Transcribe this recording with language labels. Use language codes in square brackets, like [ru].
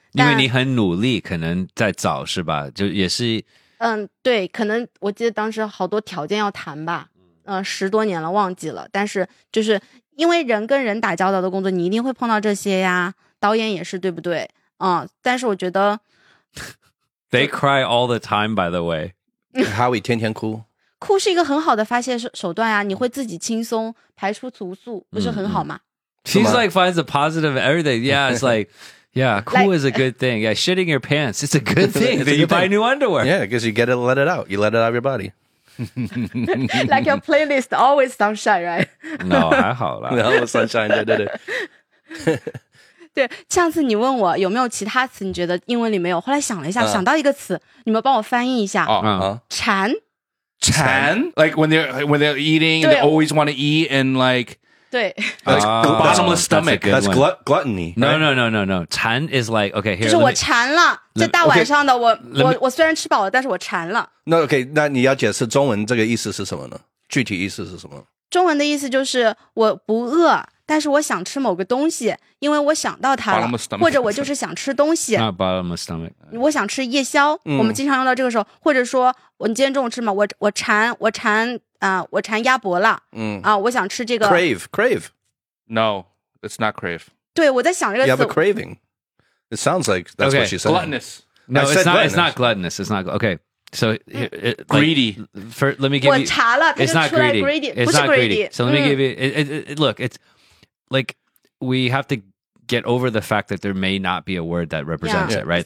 [zh] 因为你很努力可能在找是吧就也是对可能我记得当时好多条件要谈吧十多年了忘记了但是就是因为人跟人打交道的工作你一定会碰到这些呀导演也是对不对但是我觉得 [en] They cry all the time by the way [zh] Howie 天天哭哭是一个很好的发泄手段啊你会自己轻松排出毒素不是很好吗 [en] She's like finds a positive everything Yeah it's like Yeah cool like, is a good thing Yeah shitting your pants It's a good thing that you buy new underwear Yeah because you get it let it out You let it out of your body Like your playlist always sunshine right No [zh] 还好啦 [en] No sunshine [zh] 对对对对，上次你问我有没有其他词，你觉得英文里没有？后来想了一下，想到一个词，你们帮我翻译一下。哦，馋， [en] 馋 ，like when they're eating, they always want to eat and like [zh] 对 [en] bottomless stomach. That's gluttony. No. 馋 is like okay. Here, [zh] 就是我馋了，这大晚上的我虽然吃饱了，但是我馋了。那 OK， 那你要解释中文这个意思是什么呢？具体意思是什么？中文的意思就是我不饿。但是我想吃某个东西因为我想到它了或者我就是想吃东西 [en] Not bottom of stomach. [zh] 我想吃夜宵我们经常用到这个时候或者说我今天中午吃嘛我馋鸭脖了我想吃这个 [en] Crave No, it's not crave [zh] 对我在想这个词 [en] You have a craving It sounds like that's okay. what she said. Gluttonous. No, it's not. Gluttonous. It's not gluttonous. It's not. Okay. So greedy. Let me give you. It's not greedy. It's not greedy. So let me give you. Look, it's like we have to get over the fact that there may not be a word that represents it, right?